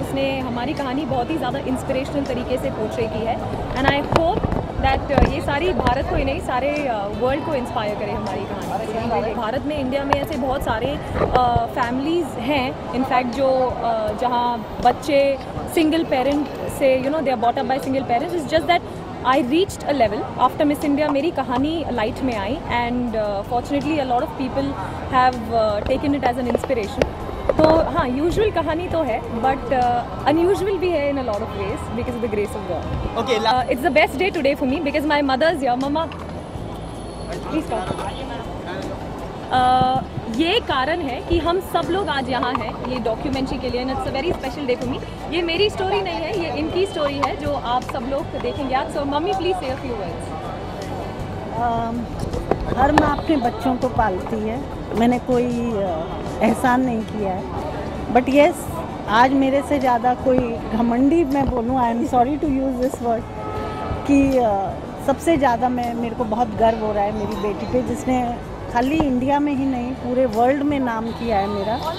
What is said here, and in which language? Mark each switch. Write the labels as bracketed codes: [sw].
[hi] उसने हमारी कहानी बहुत ही ज़्यादा इंस्पिरेशनल तरीके से पोर्ट्रे की है [en] and I hope that [hi] ये सारी भारत को ही नहीं सारे वर्ल्ड को इंस्पायर करे हमारी कहानी. भारत में इंडिया में ऐसे बहुत सारे फैमिलीज हैं इनफैक्ट जो जहाँ बच्चे सिंगल पेरेंट से [en] They are brought up by single parents. Is just that I reached a level after Miss India. [hi] मेरी कहानी light में आई [en] and fortunately a lot of people have taken it as an inspiration. [hi] तो हाँ [en] usual कहानी तो है but unusual भी है in a lot of ways because of the grace of God. Okay. It's the best day today for me because my mother's here. Mama, please come. [hi] ये कारण है कि हम सब लोग आज यहाँ हैं ये डॉक्यूमेंट्री के लिए [en] And it's a very special day for me. [hi] ये मेरी स्टोरी नहीं है ये इनकी स्टोरी है जो आप सब लोग देखेंगे आज. [en] So mummy please say a few words. [hi] हर माँ अपने बच्चों को पालती है. मैंने कोई एहसान नहीं किया है [en] but yes [hi] आज मेरे से ज़्यादा कोई घमंडी मैं बोलूँ [en] I am sorry to use this word [hi] कि सबसे ज़्यादा मेरे को बहुत गर्व हो रहा है मेरी बेटी पे जिसने खाली इंडिया में ही नहीं पूरे वर्ल्ड में नाम किया है मेरा.